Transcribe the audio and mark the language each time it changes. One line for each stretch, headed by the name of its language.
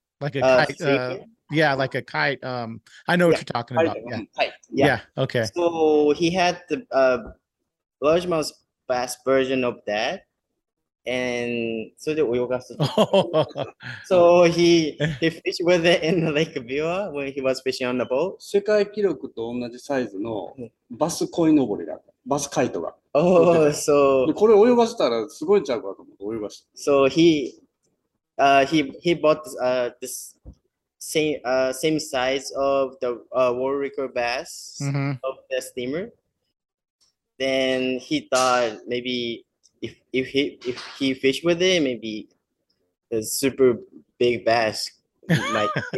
English: Like a kite. Yeah, like a kite. I know what you're talking about. Yeah. Kite. Yeah. Yeah. Okay. So he had the largemouth bass version of that. And so did we got so he fished with it in Lake Biwa when he was fishing on the boat.
Japanese: 世界記録と同じサイズのバス鯉のぼりだ。バスカイトが。
English: Oh, so
Japanese: これ泳がせたらすごいんちゃうかと思って泳がした。
English: So he bought this same size of the world record bass、 mm-hmm. of the steamer. Then he thought maybe. If he fish with it, maybe a super big bass might